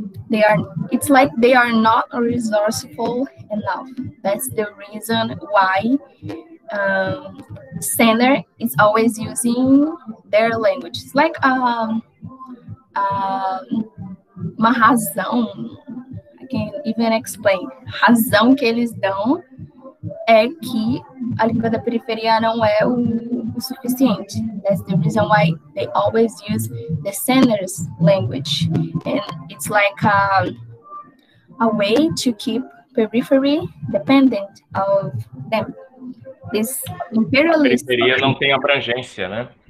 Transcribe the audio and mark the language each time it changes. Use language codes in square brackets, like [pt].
[en] they are, it's like they are not resourceful enough. That's the reason why Sander is always using their language. It's like [pt] uma razão, [en] I can't even explain. [pt] Razão que eles dão é que a língua da periferia não é o suficiente. [en] That's the reason why they always use the Sander's language. And it's like a way to keep periphery dependent of them. This imperialist... [pt] A periferia não tem abrangência, né?